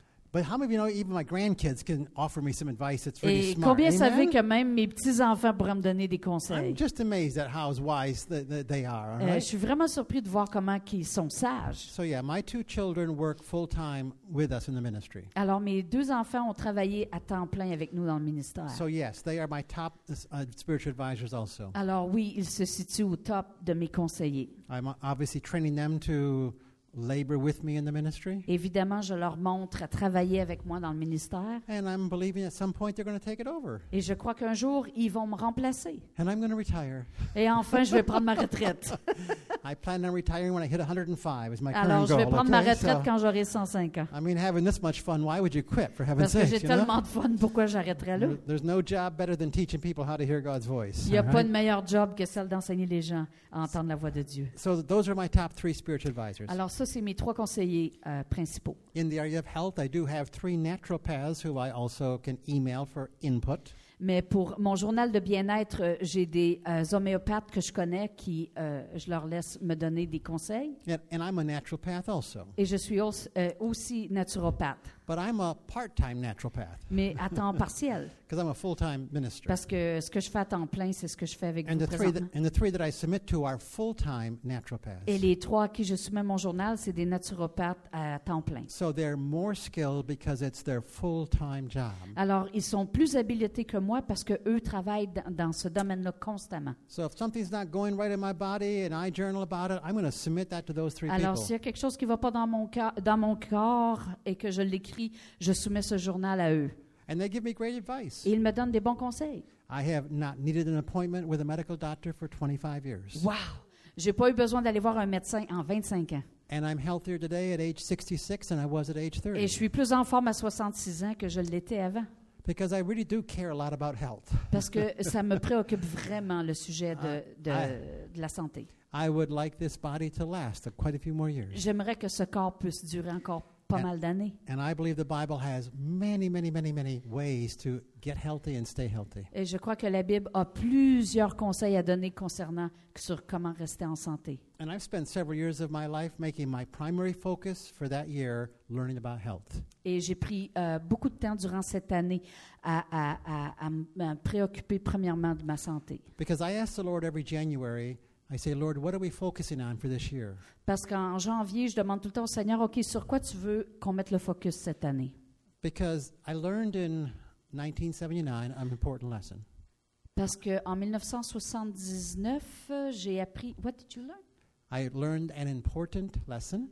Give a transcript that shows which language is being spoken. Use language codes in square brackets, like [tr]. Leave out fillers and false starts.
[en] But how many of you know even my grandkids can offer me some advice? It's pretty smart. [fr] Combien savez que même mes petits-enfants pourraient me donner des conseils? [en] I'm just amazed at how wise they are. [fr] Je suis vraiment surpris de voir comment ils sont sages. [en] So yeah, my two children work full time with us in the ministry. [fr] Alors mes deux enfants ont travaillé à temps plein avec nous dans le ministère. [en] So yes, they are my top spiritual advisors also. [fr] Alors oui, ils se situent au top de mes conseillers. [en] I'm obviously training them to labor with me in the ministry. [fr] Évidemment, je leur montre à travailler avec moi dans le ministère. [en] And I'm believing at some point they're going to take it over. [fr] Et je crois qu'un jour ils vont me remplacer. [en] And I'm going to retire. [fr] Et enfin, je vais prendre ma retraite. [en] I plan on retiring when I hit 105 is my goal. [fr] Alors, je vais prendre ma retraite quand j'aurai 105 ans. [en] I mean, having this much fun, why would you quit for heaven's sake? [fr] Parce que j'ai tellement [en] know? [fr] De fun, pourquoi j'arrêterais là? [en] There's no job better than teaching people how to hear God's voice. [fr] Il y a pas de meilleur job que celle d'enseigner les gens à entendre la voix de Dieu. [en] So those are my top three spiritual advisors. [fr] Alors c'est mes trois conseillers principaux. [en] In the area of health, I do have three naturopaths who I also can email for input. [fr] Mais pour mon journal de bien-être, j'ai des homéopathes que je connais qui je leur laisse me donner des conseils. [en] And I'm a naturopath also. [fr] Et je suis aussi naturopathe. [en] But I'm a part-time naturopath. [fr] Mais à temps partiel. [en] Because I'm a full-time minister. [fr] Parce que ce que je fais à temps plein, c'est ce que je fais avec [en] and [fr] vous présentement. [en] And the three that I submit to are full-time naturopaths. [fr] Et les trois à qui je soumets mon journal, c'est des naturopathes à temps plein. [en] So they're more skilled because it's their full-time job. [fr] Alors, ils sont plus habilités que moi parce que eux travaillent dans ce domaine-là constamment. [en] So if something's not going right in my body and I journal about it, I'm going to submit that to those three [fr] alors, [en] people. [fr] Alors, s'il y a quelque chose qui ne va pas dans mon corps et que je l'écris, je soumets ce journal à eux. [en] And they give me great advice. [fr] Et ils me donnent des bons conseils. [en] I have not needed an appointment with a medical doctor for 25 years. Wow! [fr] J'ai pas eu besoin d'aller voir un médecin en 25 ans. [en] And I'm healthier today at age 66 than I was at age 30. [fr] Et je suis plus en forme à 66 ans que je l'étais avant. [en] Because I really do care a lot about health. [fr] Parce que ça me préoccupe vraiment le sujet de la santé. [en] I would like this body to last quite a few more years. [fr] J'aimerais que ce corps puisse durer encore plus. [en] And I believe the Bible has many, many, many, many ways to get healthy and stay healthy. [fr] Et je crois que la Bible a plusieurs conseils à donner concernant sur comment rester en santé. [en] And I've spent several years of my life making my primary focus for that year learning about health. [fr] Et j'ai pris beaucoup de temps durant cette année à me préoccuper premièrement de ma santé. [en] Because I ask the Lord every January, I say, Lord, what are we focusing on for this year? [fr] Parce qu'en janvier, je demande tout le temps au Seigneur, OK, sur quoi tu veux qu'on mette le focus cette année? [en] Because I learned in 1979 an important lesson. [fr] Parce qu'en 1979, j'ai appris, [en] what did you learn? I learned an important lesson.